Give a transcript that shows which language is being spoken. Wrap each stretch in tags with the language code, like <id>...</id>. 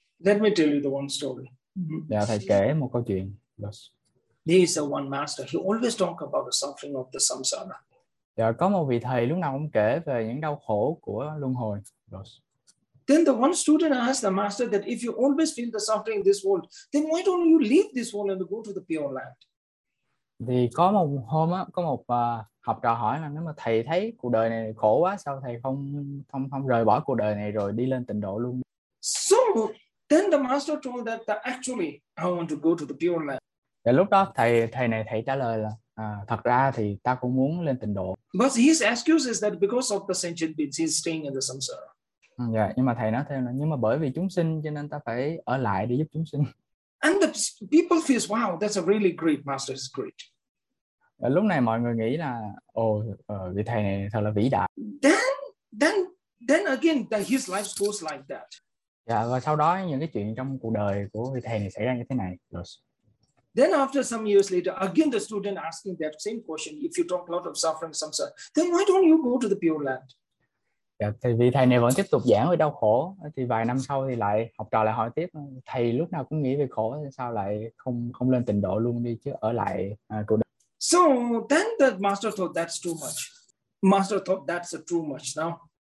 <en>Let me tell you the one story.</en> <vi>Để thầy kể một câu chuyện.</vi> <en>This is the one master. He always talk about the suffering of the samsara.</en> <vi>Dạ, có một vị thầy lúc nào cũng kể về những đau khổ của luân hồi.</vi> <en>Then the one student asked the master that if you always feel the suffering in this world, then why don't you leave this world and go to the pure land?</en> <vi>Thì có một hôm á, có một học trò hỏi là nếu mà thầy thấy cuộc đời này khổ quá, sao thầy không rời bỏ cuộc đời này rồi đi lên tịnh độ luôn?</vi> <en>So then the master told that, that actually I want to go to the pure land.</en> <vi>Và lúc đó thầy trả lời là thật ra thì ta cũng muốn lên tịnh độ.</vi> <en>But his excuse is that because of the sentient beings, he's staying in the samsara.</en> <vi>Dạ, nhưng mà thầy nói thêm là nhưng mà bởi vì chúng sinh cho nên ta phải ở lại để giúp chúng sinh.</vi> <en>And the people feels wow, that's a really great master, is great.</en> <vi>Và lúc này mọi người nghĩ là vị thầy này thật là vĩ đại.</vi> <en>Then again that his life goes like that.</en> <vi>Dạ, và sau đó những cái chuyện trong cuộc đời của vị thầy này xảy ra như thế này.</vi> <en>Yes. Then after some years later, again the student asking that same question, if you talk a lot of suffering samsara, then why don't you go to the pure land?</en> <vi>Thì vì thầy này vẫn tiếp tục giảng về đau khổ, thì vài năm sau thì lại học trò lại hỏi tiếp, thầy lúc nào cũng nghĩ về khổ thì sao lại không lên tịnh độ luôn đi chứ ở lại cuộc đời.</vi> <en>So then the master thought that's too much. Master thought that's too much now.</en>